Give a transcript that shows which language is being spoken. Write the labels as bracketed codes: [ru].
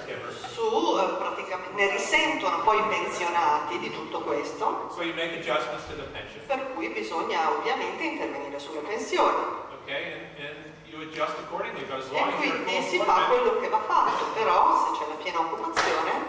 [it] Su, praticamente, ne risentono poi i pensionati di tutto questo. [en] So you make adjustments to the pension. [it] Per cui bisogna ovviamente intervenire sulle pensioni. [en] Okay, and you adjust accordingly, but as long [it] e quindi [en] as [it] si fa quello che va fatto, però se c'è la piena occupazione,